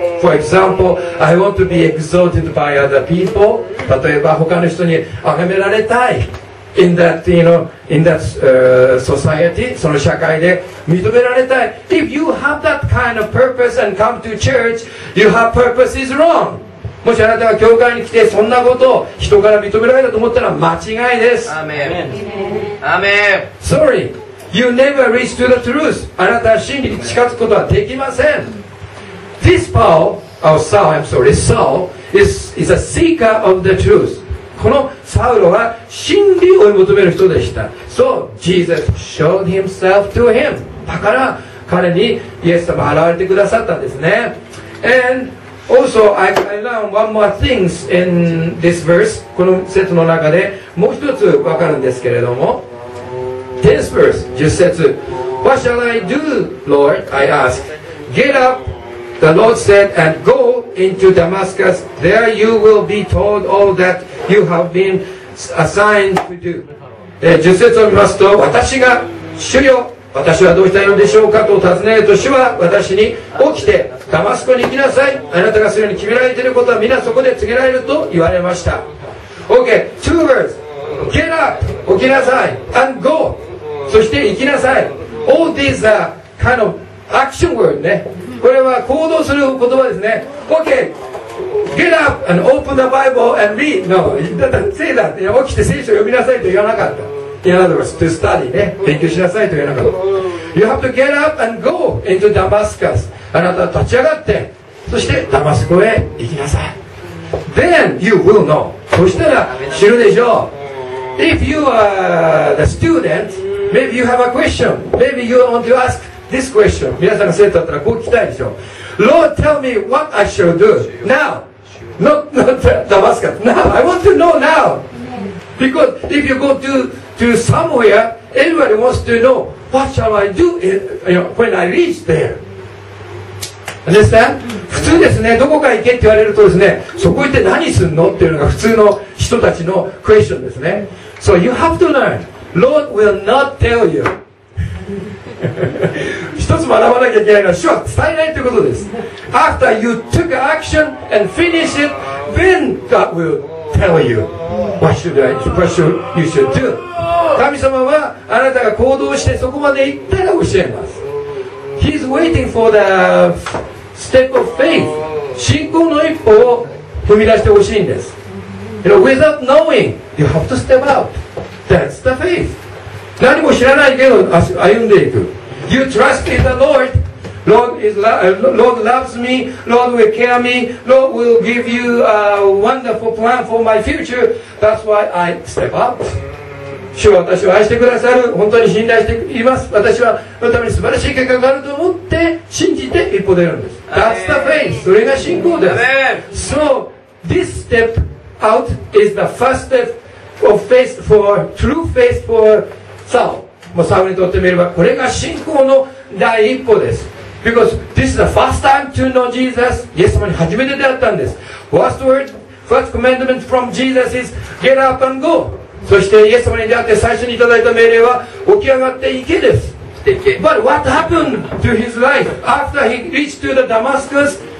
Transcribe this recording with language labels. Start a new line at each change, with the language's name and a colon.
English: For example, I want to be exalted by other people.
Japanese: 例えば他の人に崇められたい。
English: In that, you know, in that society,
Japanese: その社会で認められたい。
English: If you have that kind of purpose and come to church, you have purpose is wrong.
Japanese: もしあなたが教会に来てそんなことを人から認められたと思ったら間違いです。
English: Amen. Amen. Sorry, you never reach to the truth.
Japanese: あなたは真理に近づくことはできません。
English: This Paul, or Saul, I'm sorry, Saul is a seeker of the truth.
Japanese: このサウロは真理を求める人でした。
English: So Jesus showed himself to him.
Japanese: だから彼にイエス様現れてくださったんですね。
English: And also I learned one more things in this verse.
Japanese: この節の中でもう一つ分かるんですけれども。
English: This verse, 10節。What shall I do, Lord? I asked. Get up, the Lord said, and go into Damascus. There you will be told all thatYou have been assigned to do.
Japanese: 10節を見ますと、私が主よ、私はどうしたいのでしょうかと尋ねると、主は私に起きてダマスコに行きなさい。あなたがするように決められていることは皆そこで告げられると言われました。
English: OK, two words. Get up,
Japanese: 起きなさい。
English: And go,
Japanese: そして行きなさい。
English: All these are kind of action words ね。
Japanese: これは行動する言葉ですね。
English: OK. Get up and open the Bible and read. No, he didn't say that.
Japanese: 起きて聖書を読みなさいと言わなかった。
English: In other words, to study,
Japanese: ね、勉強しなさいと言わなかった。
English: You have to get up and go into Damascus.
Japanese: あなたは立ち上がって、そしてダマスコへ行きなさい。
English: Then you will know.
Japanese: そしたら知るでしょう。
English: If you are the student, maybe you have a question. Maybe you want to ask this question.
Japanese: 皆さんが生徒だったらこう聞きたいでしょう。
English: Lord, tell me what I shall do now. Not Damascus. Now, I want to know now. Because if you go to somewhere, everybody wants to know what shall I do in, you know, when I reach there. Understand?
Japanese: 普通ですね、どこか行けって言われるとですね、そこ行って何すんのっていうのが普通の人たちのクエスチョンですね。
English: So you have to learn. Lord will not tell you.
Japanese: 一つ学ばなきゃいけないのは主は伝えないということです。
English: After you took action and finish it, then God will tell you what you should do.
Japanese: 神様はあなたが行動してそこまで行ったら教えます。
English: He's waiting for the step of faith.
Japanese: 信仰の一歩を踏み出してほしいんです。
English: You know, without knowing, you have to step out. That's the faith.
Japanese: 何も知らないけど歩んでいく。
English: You trust in the Lord. Lord loves me. Lord will care me. Lord will give you a wonderful plan for my future. That's why I step out.
Japanese: 主は私を愛してくださる。本当に信頼しています。私はのために素晴らしい結果があると思って信じて一歩出るんです。
English: That's the faith.
Japanese: それが信仰です。
English: Amen. So, this step out is the first step of faith for true faith for
Japanese: サウル、サウルにとってみればこれが信仰の第一歩です。
English: Because this is the first time to know Jesus.
Japanese: イエス様に初めて出会ったんです。
English: First word, first commandment from Jesus is get up and go.
Japanese: そしてイエス様に出会って最初にいただいた命令は起き上がって行けです。
English: But what happened to his life after he reached to the Damascus?